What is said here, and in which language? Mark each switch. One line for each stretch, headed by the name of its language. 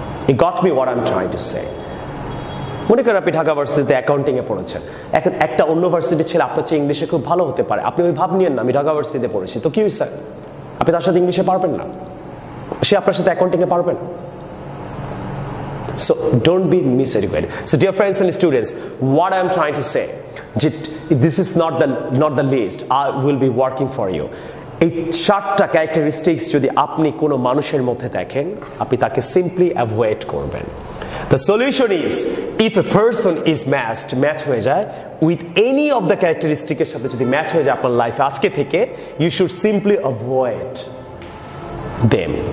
English: It got me what I am trying to say.
Bangla: মনে করেন আপনি ঢাকা ভার্সিটিতে অ্যাকাউন্টিংয়ে পড়েছেন, এখন একটা অন্য ভার্সিটির ছেলে আপনার চেয়ে ইংলিশে খুব ভালো হতে পারে, আপনি ওই ভাব নিয়েন না, আমি ঢাকা ভার্সিটিতে পড়েছি তো কি হয়েছে, আপনি তার সাথে ইংলিশে পারবেন না, সে আপনার সাথে অ্যাকাউন্টিংয়ে পারবেন।
English: So don't be miseducated. So dear friends and students, what I am trying to say, this is not the least, I will be working for you.
Bangla: এই চারটা ক্যারেক্টারিস্টিক্স যদি আপনি কোনো মানুষের মধ্যে দেখেন, আপনি তাকে সিম্পলি অ্যাভয়েড করবেন।
English: the solution is, if a person is matched,
Bangla: match হয়ে যায়
English: with any of the ক্যারেক্টারিস্টিকের সাথে,
Bangla: যদি ম্যাচ হয়ে যায় আপনার লাইফে আজকে থেকে,
English: You should simply avoid them.